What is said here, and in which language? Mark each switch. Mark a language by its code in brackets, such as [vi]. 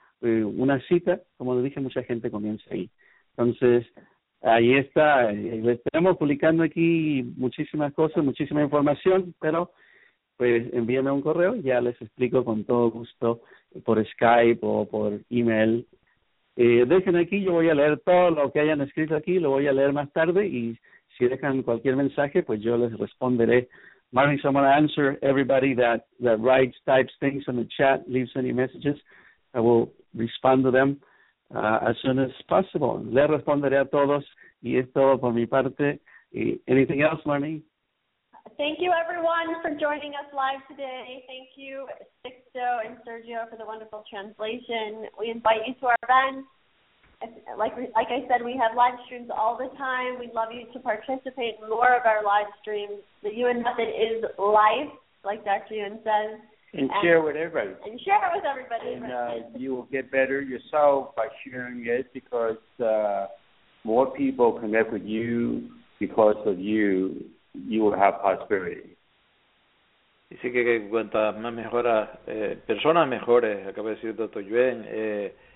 [es] Una cita, como les dije, mucha gente comienza ahí. Entonces, ahí está, les tenemos publicando aquí muchísimas cosas, muchísima información, pero pues envíenme un correo y ya les explico con todo gusto por Skype o por email. Dejen aquí, yo voy a leer todo lo que hayan escrito aquí, lo voy a leer más tarde, y si dejan cualquier mensaje, pues yo les responderé. [en] Marvin, so I'm going to answer everybody that writes, types things in the chat, leaves any messages. I will respond to them as soon as possible. [es] Le responderé a todos, y es todo por mi parte. [en] Anything else, Marnie? Thank you, everyone, for joining us live today. Thank you, Sixto and Sergio, for the wonderful translation. We invite you to our event. Like I said, we have live streams all the time. We'd love you to participate in more of our live streams. The Yuen Method is life, like Dr. Yuen says. And share with everybody. And share it with everybody. And you will get better yourself by sharing it, because more people connect with you because of you. You will have prosperity. [es] Dice que cuenta más mejoras, personas mejores, acaba de decir Dr. Yuen,